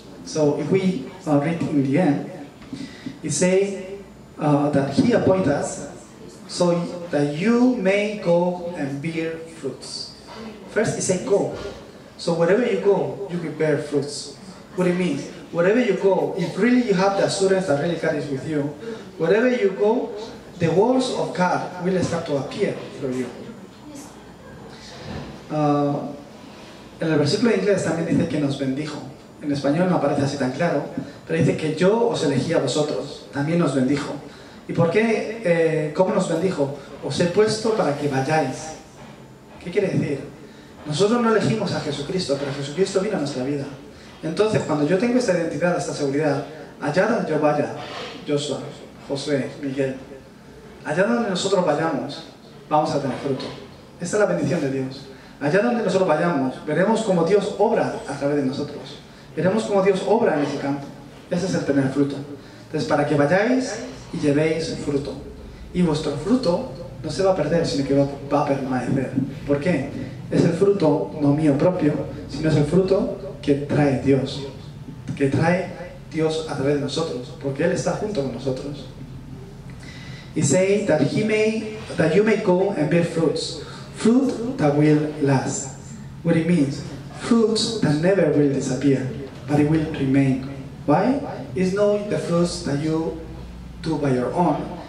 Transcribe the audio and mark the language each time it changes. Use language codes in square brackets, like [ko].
[en] So if we read in the end, it says that he appoints us so that you may go and bear fruits. First, it says go. So wherever you go, you can bear fruits. What it means? Wherever you go, if really you have the assurance that really God is with you, wherever you go, the words of God will start to appear for you. [es] En el versículo de inglés también dice que nos bendijo. En español no aparece así tan claro, pero dice que yo os elegí a vosotros, también nos bendijo. ¿Y por qué? ¿Cómo nos bendijo? Os he puesto para que vayáis. ¿Qué quiere decir? Nosotros no elegimos a Jesucristo, pero Jesucristo vino a nuestra vida. Entonces, cuando yo tengo esta identidad, esta seguridad, allá donde yo vaya, Joshua, José, Miguel, allá donde nosotros vayamos, vamos a tener fruto. Esta es la bendición de Dios. Allá donde nosotros vayamos, veremos cómo Dios obra a través de nosotros. Veremos cómo Dios obra en ese campo. Ese es el tener fruto. Entonces, para que vayáis y llevéis fruto. Y vuestro fruto no se va a perder, sino que va a permanecer. ¿Por qué? Es el fruto, no mío propio, sino es el fruto que trae Dios. Que trae Dios a través de nosotros, porque Él está junto con nosotros. [en] Y say that he may, that you may go and bear fruits. Fruit that will last. What it means? Fruits that never will disappear, but it will remain. Why? It's not the fruits that you do by your own.